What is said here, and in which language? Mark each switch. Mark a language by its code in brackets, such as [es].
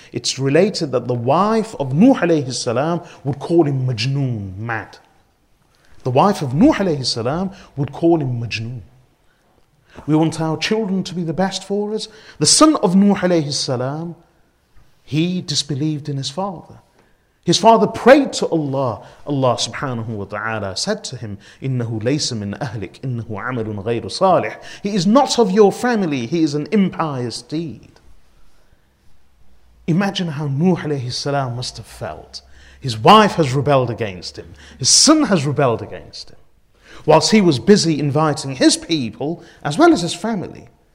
[en] It's related that the wife of Nuh alayhi salam would call him Majnoon, mad. The wife of Nuh alayhi salam would call him Majnoon. We want our children to be the best for us. The son of Nuh alayhi salam, he disbelieved in his father. His father prayed to Allah. Allah subhanahu wa ta'ala said to him, [ar] إِنَّهُ لَيْسَ مِنْ أَهْلِكَ إِنَّهُ عَمَلٌ غَيْرُ صَالِحٍ. [en] He is not of your family, he is an impious deed. Imagine how Nuh alayhi salam must have felt. His wife has rebelled against him. His son has rebelled against him. Whilst he was busy inviting his people, as well as his family.